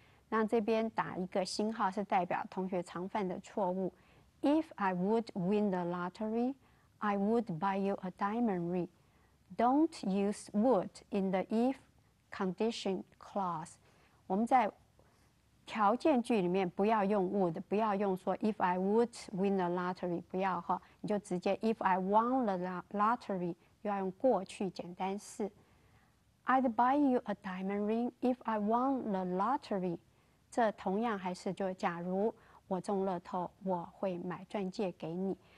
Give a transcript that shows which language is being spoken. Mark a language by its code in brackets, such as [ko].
[zh] 那这边打一个星号是代表同学常犯的错误。 [en] If I would win the lottery, I would buy you a diamond ring. Don't use would in the if condition clause. [zh] 我们在条件句里面不要用 would, 不要用说 [en] if I would win the lottery, [zh] 不要哈，你就直接 [en] if I won the lottery, [zh] 要用过去简单式。 [en] I'd buy you a diamond ring if I won the lottery. [zh] 这同样还是就假如我中乐透，我会买钻戒给你。